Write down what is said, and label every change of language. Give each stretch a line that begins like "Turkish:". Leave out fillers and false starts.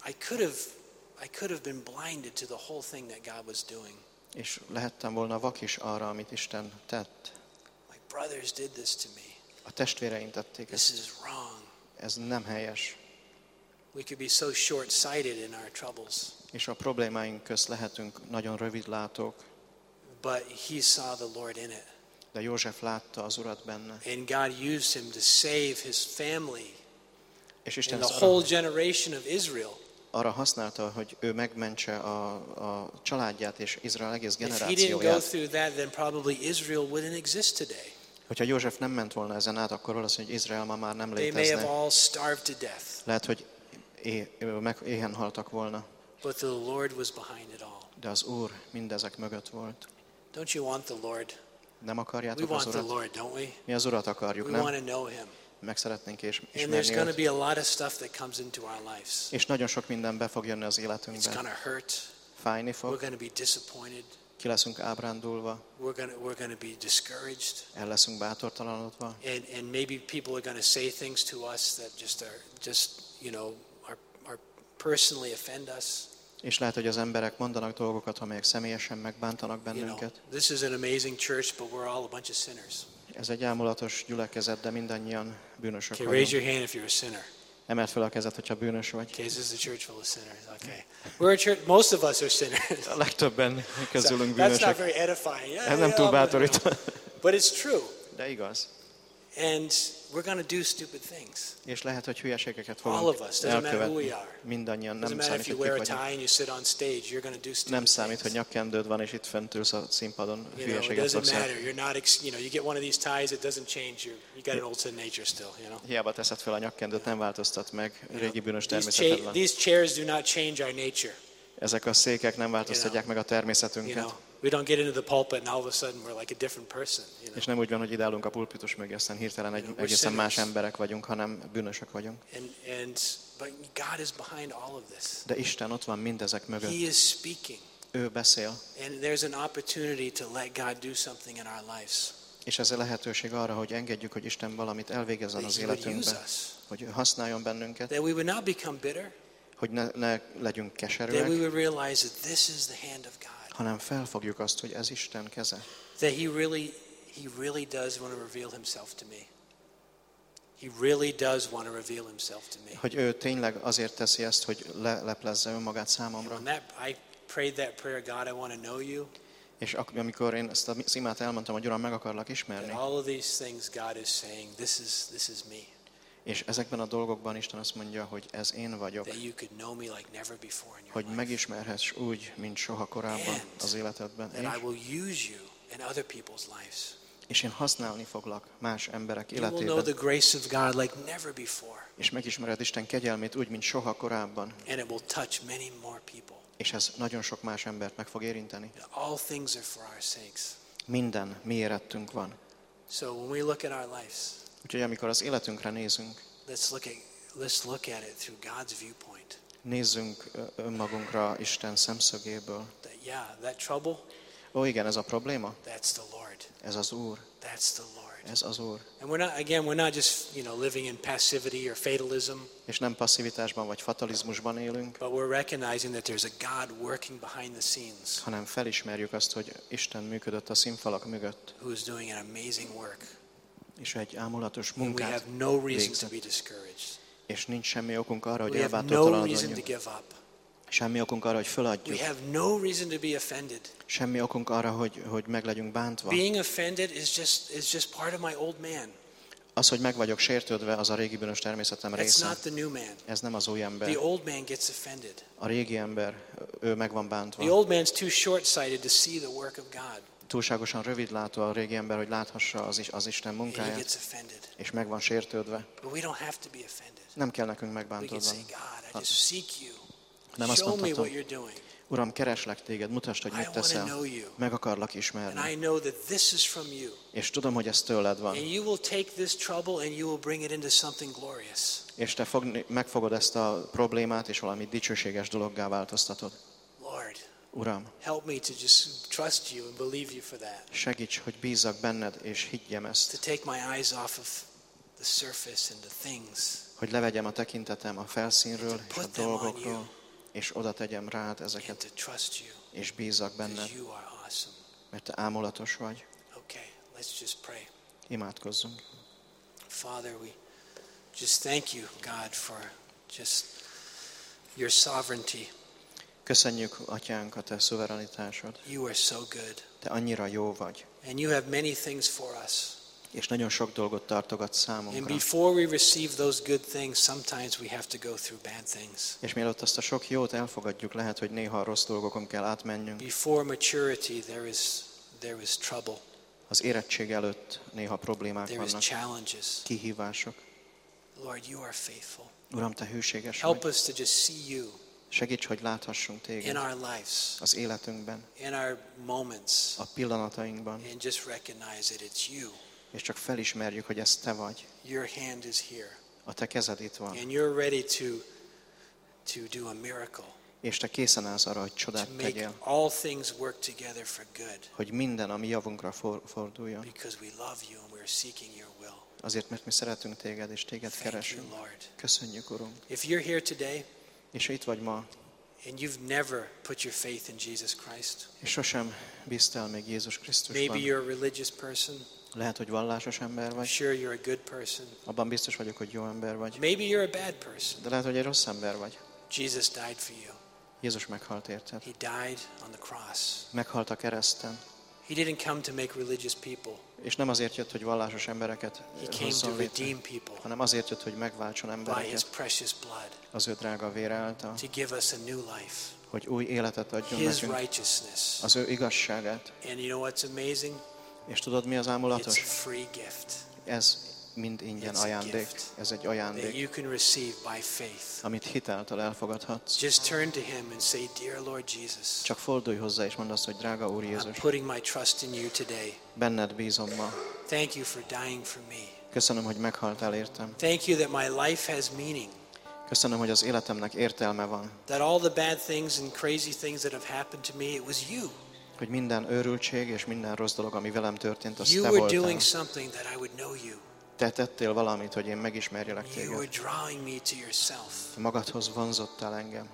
English: And I could have been blinded to the whole thing that God was doing.
Hungarian: És lehettem volna vak is arra, amit Isten tett.
English: My brothers did this to me.
Hungarian: A testvéreim tették ezt.
English: This is wrong.
Hungarian: Ez nem helyes.
English: We could be so short-sighted in our troubles.
Hungarian: És a problémáink közt lehetünk nagyon rövidlátók.
English: But he saw the Lord in it.
Hungarian: De József látta az Urat benne.
English: And God used him to save his family.
Hungarian: És Isten
English: and the whole generation of Israel.
Hungarian: Arra használta, hogy ő megmentse a családját és Izrael egész generációját.
English: If he didn't go through that, then probably Israel wouldn't exist today.
Hungarian: Hogyha József nem ment volna ezen át, akkor valószínű, hogy Izrael ma már nem létezne.
English: They may have all starved to death.
Hungarian: Lehet, hogy éhen haltak volna.
English: But the Lord was behind it all.
Hungarian: De az Úr mindezek mögött volt.
English: Don't you want the Lord?
Hungarian: Nem akarjátok
English: we want
Hungarian: az Urat?
English: The Lord, don't we?
Hungarian: Mi az Urat akarjuk,
English: we
Hungarian: nem?
English: Want to know him.
Hungarian: Meg szeretnénk és ismerni őt.
English: And there's going to be a lot of stuff that comes into our lives.
Hungarian: És nagyon sok minden be fog jönni az életünkbe.
English: It's going to hurt.
Hungarian: Fájni fog.
English: We're going to be disappointed.
Hungarian: Ki leszünk ábrándulva.
English: We're going to be discouraged.
Hungarian: El leszünk bátortalanodva.
English: And maybe people are going to say things to us that just are personally offend us.
Hungarian: És lehet, hogy az emberek mondanak dolgokat, amelyek személyesen megbántanak bennünket.
English: You know, this is an amazing church, but we're all a bunch of sinners.
Hungarian: Ez egy álmulatos gyülekezet, de mindannyian bűnösök vagyunk.
English: Raise your hand if you're a sinner.
Hungarian: Emeld fel a kezed, hogyha bűnös vagy.
English: Okay, this is a church full of sinners. Okay. We're a church, most of us are sinners.
Hungarian: A legtöbben közülünk bűnösök.
English: That's not very edifying.
Hungarian: Yeah, ez nem túl bátorít.
English: But, you know, but it's true.
Hungarian: De igaz.
English: And we're going to do stupid things.
Hungarian: És lehet, hogy hülyeségeket fogunk elkövetni.
English: All of us, doesn't matter who we are.
Hungarian: Mindannyian, nem
English: doesn't matter if you wear a tie and you sit on stage, you're going to do stupid
Hungarian: things. Nem számít, hogy nyakkendőd van, és itt fent ülsz a színpadon, hülyeséget fogsz.
English: You know, it doesn't matter. You're not, you know, you get one of these ties, it doesn't change you. You got an old sin nature still, you know.
Hungarian: Hiába teszed fel a nyakkendőt, nem változtat meg, régi bűnös természeted van.
English: These chairs do not change our nature.
Hungarian: Ezek a székek nem változtatják meg a természetünket.
English: We don't get into the pulpit and all of a sudden we're like a different person, you know.
Hungarian: És nem úgy van, hogy ideálunk a pulpitus mögé, aztán hirtelen egészen más emberek vagyunk, hanem bűnösök vagyunk.
English: And but God is behind all of this.
Hungarian: De Isten ott van mindezek mögött.
English: He is speaking.
Hungarian: Ő beszél.
English: And there's an opportunity to let God do something in our lives.
Hungarian: És ez a lehetőség arra, hogy engedjük, hogy Isten valamit elvégezzen az életünkben, hogy használjon bennünket.
English: That we would not become bitter.
Hungarian: Hogy ne legyünk keserűek.
English: That we would realize that this is the hand of God.
Hungarian: hanem felfogjuk azt, hogy ez Isten keze.
English: That he really does want to reveal himself to me. He really does want to reveal himself to me.
Hungarian: Hogy ő tényleg azért teszi ezt, hogy leplezze önmagát számomra.
English: I prayed that prayer, God, I want to know you.
Hungarian: És amikor én ezt a szimát elmondtam, hogy Uram, meg akarlak ismerni.
English: All of these things God is saying, this is me.
Hungarian: És ezekben a dolgokban Isten azt mondja, hogy ez én vagyok.
English: That you could know me like never before in your
Hungarian: hogy megismerhess úgy, mint soha korábban az életedben.
English: And I will use you in other people's lives.
Hungarian: És én használni foglak más emberek életében.
English: You will know the grace of God like never before.
Hungarian: És megismered Isten kegyelmét úgy, mint soha korábban.
English: And it will touch many more people.
Hungarian: És ez nagyon sok más embert meg fog érinteni.
English: All things are for our sakes.
Hungarian: Minden mi érettünk van.
English: So when we look at our lives,
Hungarian: úgyhogy amikor az életünkre nézünk,
English: let's look at it through God's viewpoint.
Hungarian: Nézzünk önmagunkra Isten szemszögéből.
English: That trouble.
Hungarian: Ó, igen, ez a probléma.
English: That's the Lord.
Hungarian: Ez az Úr.
English: That's the Lord.
Hungarian: Ez az Úr.
English: And we're not just, you know, living in passivity or fatalism.
Hungarian: És nem passzivitásban vagy fatalizmusban élünk.
English: But we're recognizing that there's a God working behind the scenes.
Hungarian: Hanem felismerjük azt, hogy Isten működött a színfalak mögött.
English: Who is doing an amazing work.
Hungarian: És egy ámulatos munkát.
English: And we have no reason to be discouraged.
Hungarian: És nincs semmi okunk arra, hogy elbátortalanodjunk. Semmi okunk arra, hogy feladjuk.
English: We have no reason to be offended.
Hungarian: Semmi okunk arra, hogy meg legyünk bántva.
English: Being offended is just part of my old man.
Hungarian: Az, hogy meg vagyok sértődve, az a régi bűnös természetem része.
English: It's not the new man.
Hungarian: Ez nem az új ember.
English: The old man gets offended.
Hungarian: A régi ember, ő meg van bántva.
English: The old man's too short-sighted to see the work of God.
Hungarian: Túlságosan rövidlátó a régi ember, hogy láthassa az Isten munkáját.
English: He gets offended.
Hungarian: És meg van sértődve.
English: But we don't have to be offended.
Hungarian: Nem kell nekünk megbántódni.
English: We can say, God, I just seek you.
Hungarian: Nem azt mondhatom,
English: show me what you're doing.
Hungarian: Uram, kereslek téged, mutasd, hogy mit teszel. Meg akarlak ismerni.
English: And I know that this is from you.
Hungarian: És tudom, hogy ez tőled van.
English: And you will take this trouble and you will bring it into something glorious.
Hungarian: És te megfogod ezt a problémát és valami dicsőséges dologgá változtatod.
English: Lord,
Hungarian: Uram,
English: help me to just trust you and believe you for that.
Hungarian: Segíts, hogy bízzak benned és higgyem ezt.
English: To take my eyes off of the surface and the things.
Hungarian: Hogy levegyem a tekintetem a felszínről és a dolgokról. És oda tegyem rád ezeket, és bízzak benned, mert te ámulatos vagy.
English: Okay, let's just pray.
Hungarian: Imádkozzunk.
English: Father, we just thank you, God, for just your sovereignty.
Hungarian: Köszönjük, Atyánk, a te szuverenitásod.
English: You are so good.
Hungarian: Te annyira jó vagy.
English: And you have many things for us.
Hungarian: És nagyon sok dolgot tartogat számunkra.
English: And before we receive those good things, sometimes we have to go through bad things.
Hungarian: És mielőtt azt a sok jót elfogadjuk, lehet, hogy néha a rossz dolgokon kell átmennünk.
English: Before maturity, there is trouble.
Hungarian: Az érettség előtt néha problémák
English: there
Hungarian: vannak.
English: There is challenges.
Hungarian: Kihívások.
English: Lord, you are faithful.
Hungarian: Uram, te hűséges vagy.
English: Help us to just see you.
Hungarian: Segíts, hogy láthassunk téged.
English: In our lives.
Hungarian: Az életünkben.
English: In our moments.
Hungarian: A pillanatainkban.
English: And just recognize that it's you.
Hungarian: És csak felismerjük, hogy ez te vagy.
English: Your hand is here.
Hungarian: A te kezed itt van.
English: And you're ready to do a miracle.
Hungarian: És te készen állsz arra, hogy csodát
English: to make
Hungarian: tegyél.
English: All things work together for good.
Hungarian: Hogy minden a mi javunkra forduljon.
English: Because we love you and we're seeking your will.
Hungarian: Azért, mert mi szeretünk téged és téged
English: thank
Hungarian: keresünk.
English: You, Lord.
Hungarian: Köszönjük, Urunk.
English: If you're here today,
Hungarian: és itt vagy ma,
English: and you've never put your faith in Jesus Christ.
Hungarian: És sosem bíztál még Jézus Krisztusban.
English: Maybe you're a religious person.
Hungarian: Lehet, hogy vallásos ember vagy.
English: Sure, you're a good person.
Hungarian: Abban biztos vagyok, hogy jó ember vagy.
English: Maybe you're a bad person.
Hungarian: De lehet, hogy egy rossz ember vagy.
English: Jesus died for you.
Hungarian: Jézus meghalt érted.
English: He died on the cross.
Hungarian: Meghalt a kereszten.
English: He didn't come to make religious people.
Hungarian: És nem azért jött, hogy vallásos embereket
English: he came to redeem people.
Hungarian: Hanem azért jött, hogy megváltson embereket.
English: By his precious blood.
Hungarian: Az ő drága vére által.
English: To give us a new life.
Hungarian: Hogy új életet adjon
English: his
Hungarian: nekünk.
English: Righteousness.
Hungarian: Az ő igazságát.
English: And you know what's amazing?
Hungarian: És tudod, mi az ámulatos?
English: It's a free gift.
Hungarian: Ez mind ingyen ajándék. Ez egy ajándék.
English: That you can receive by faith.
Hungarian: Amit hitáltal elfogadhatsz.
English: Just turn to him and say, dear Lord Jesus.
Hungarian: Csak fordulj hozzá és mondd azt, hogy drága Úr Jézus.
English: I'm putting my trust in you today.
Hungarian: Benned bízom ma.
English: Thank you for dying for me.
Hungarian: Köszönöm, hogy meghaltál értem.
English: Thank you that my life has meaning.
Hungarian: Köszönöm, hogy az életemnek értelme van.
English: That all the bad things and crazy things that have happened to me, it was you.
Hungarian: Hogy minden őrültség és minden rossz dolog, ami velem történt, az
English: you
Hungarian: te voltál.
English: Doing something that I would know you.
Hungarian: Te tettél valamit, hogy én megismerjelek téged.
English: You were drawing me to yourself.
Hungarian: Magadhoz vonzottál engem.